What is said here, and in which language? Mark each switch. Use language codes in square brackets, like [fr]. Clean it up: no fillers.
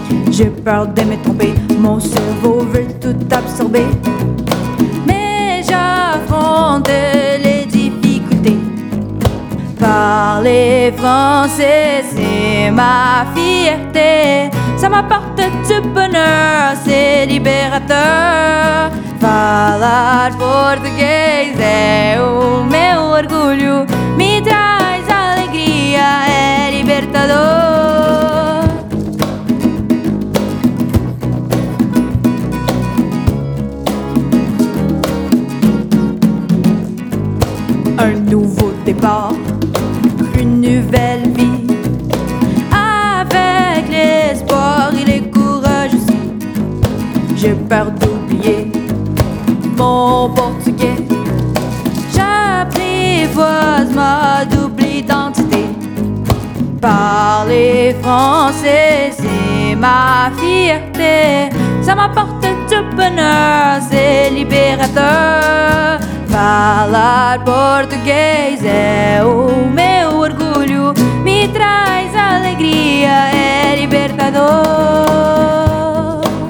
[fr] J'ai peur de me tromper, mon cerveau veut tout absorber. Mais j'affronte les difficultés. Parler français, c'est ma fierté. Ça m'apporte du bonheur, c'est libérateur. [pt] Falar português é o meu orgulho. Me traz alegria, é libertador. [fr] Un nouveau départ, une nouvelle vie. Avec l'espoir et le courage aussi. J'ai peur d'oublier mon portugais. J'apprivoise ma double identité. Parler français, c'est ma fierté. Ça m'apporte du bonheur, c'est libérateur. [pt] Falar português é o meu orgulho, me traz alegria, é libertador.